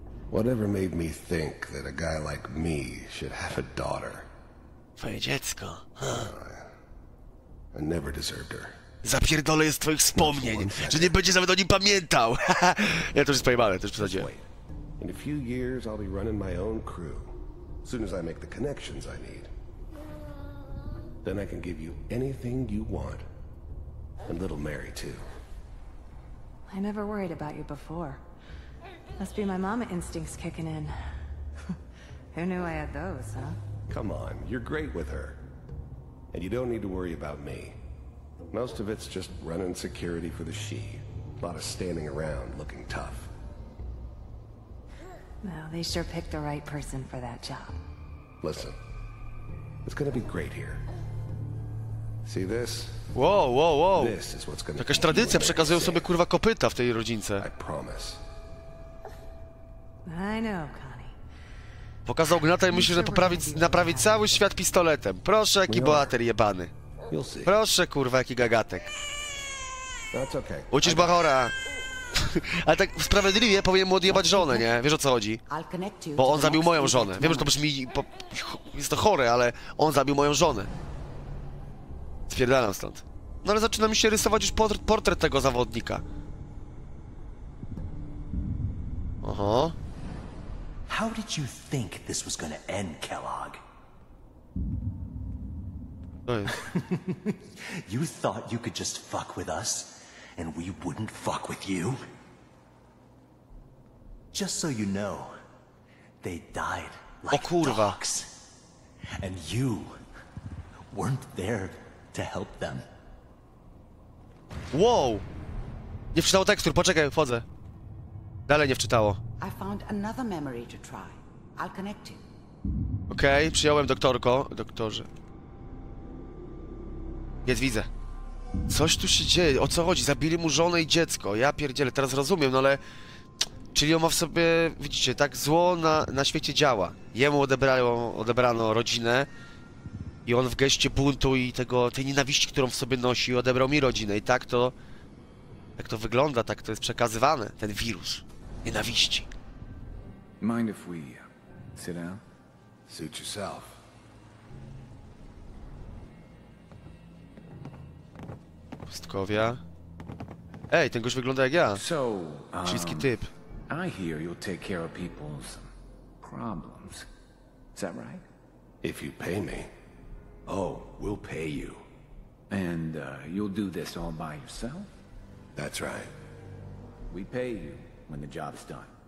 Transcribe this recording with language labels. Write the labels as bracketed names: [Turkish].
[English] Whatever made me think that a guy like me should have a daughter? [Polish] Twoje dziecko, [English] I never deserved her. [Polish] Zapierdolę je z twoich wspomnień, że nie będziesz nawet o nim pamiętał. Ja to już pojebane, to już przesadziłem. [English] In a few years I'll be running my own crew. As soon as I make the connections I need. Then I can give you anything you want. And little Mary too. I never worried about you before. Must be my mama instincts kicking in. Who knew I had those, huh? Come on, you're great with her. And you don't need to worry about me. Most of it's just running security for the Shi. A lot of standing around looking tough. Well, they sure picked the right person for that job. Listen, it's gonna be great here. See this? Whoa. This is what's gonna [Polish] Jakaś tradycja, przekazują sobie kurwa kopyta w tej rodzince. [English] I promise. I know, Connie. [Polish] Pokazał gnata i musi, że naprawić cały świat pistoletem. Proszę, jaki bohater jebany. Proszę, kurwa, jaki gagatek. Ucisz Bachora. Ale tak sprawiedliwie powinien mu odjebać żonę, nie? Wiesz, o co chodzi? Bo on zabił moją żonę. Wiem, że to brzmi... jest to chore, ale on zabił moją żonę. Spierdalam stąd. No ale zaczyna mi się rysować już portret tego zawodnika. Oho. [English] How did you think this was gonna end, Kellogg? You thought you could just fuck with us, and we wouldn't fuck with you? Just so you know, they died like dogs. And you weren't there to help them. Wow! [Polish] Nie wczytało tekstur, poczekaj, wchodzę. Dalej nie wczytało. [English] I found another memory to try. I'll connect you. [Polish] Okej, okay, przyjąłem doktorko, doktorze. Jest, widzę. Coś tu się dzieje, o co chodzi? Zabili mu żonę i dziecko. Ja pierdzielę, teraz rozumiem, no ale... Czyli on ma w sobie, widzicie, tak zło na świecie działa. Jemu odebrano rodzinę. I on w geście buntu i tej nienawiści, którą w sobie nosi, odebrał mi rodzinę. I tak to... Tak to wygląda, tak to jest przekazywane, ten wirus. Nienawiści. [English] Mind if we sit down? Suit yourself. [Polish] Pustkowia. Ej, ten gość wygląda jak ja. Wszystki typ. [English] I hear you'll take care of people's problems. Is that right? If you pay me. Oh, we'll pay you. And you'll do this all by yourself? That's right. We pay you when the job's done.